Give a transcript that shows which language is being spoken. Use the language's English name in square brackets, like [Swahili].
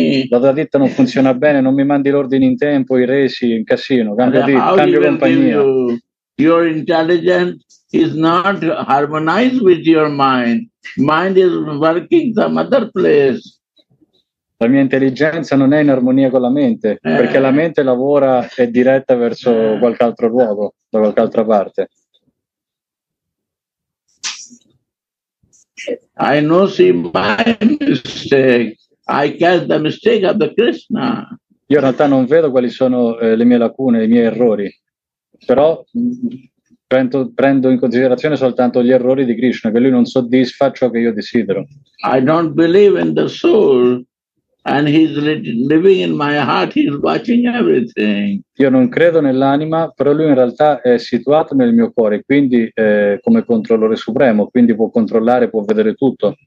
[Italian] La tua ditta non funziona bene, non mi mandi l'ordine in tempo, i resi, in casino, cambio compagnia. [English] Your intelligence is not harmonized with your mind. Mind is working some other place. [Italian] La mia intelligenza non è in armonia con la mente, perché la mente lavora e diretta verso qualche altro luogo, da qualche altra parte. [English] I know see my mistake. I catch the mistake of the Krishna. [Italian] Io in realtà non vedo quali sono le mie lacune, i miei errori, però prendo in considerazione soltanto gli errori di Krishna, che lui non soddisfa ciò che io desidero. [English] I don't believe in the soul. And he's living in my heart, he's watching everything. [Italian] Io non credo nell'anima, però lui in realtà è situato nel mio cuore, quindi come controllore supremo, quindi può controllare, può vedere tutto.